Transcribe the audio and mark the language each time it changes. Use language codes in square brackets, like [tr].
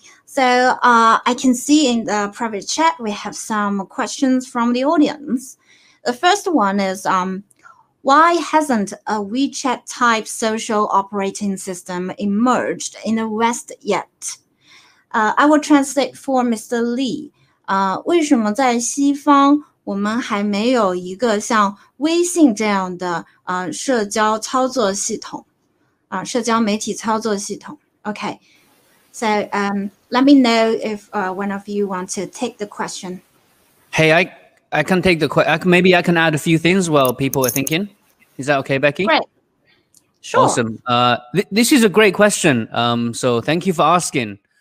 [en] So I can see in the private chat, we have some questions from the audience. The first one is, why hasn't a WeChat type social operating system emerged in the West yet? I will translate for Mr. Lee. [zh] 为什么在西方我们还没有一个像微信这样的社交媒体操作系统? [en] Okay. So let me know if one of you want to take the question. Hey, I can take the question. Maybe I can add a few things while people are thinking. Is that okay, Becky? Right. Sure. Awesome. This is a great question. So thank you for asking.